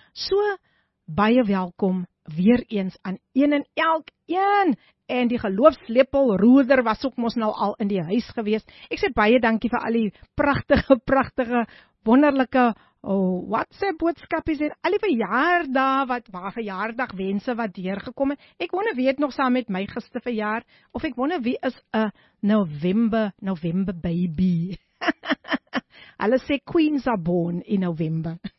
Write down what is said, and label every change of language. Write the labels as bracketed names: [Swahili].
[Afrikaans] So, baie welkom weer eens aan een en elk een, en die geloofslepel roeder was ook mos nou al in die huis gewees. Ek sê baie dankie vir al die prachtige wonderlike WhatsApp boodskapies en al die verjaardag wat verjaardag wense wat deurgekom het. Ek wonder wie het nog saam met my gister verjaar, of ek wonder wie is 'n November baby. Hulle sê [English] queens are born in November.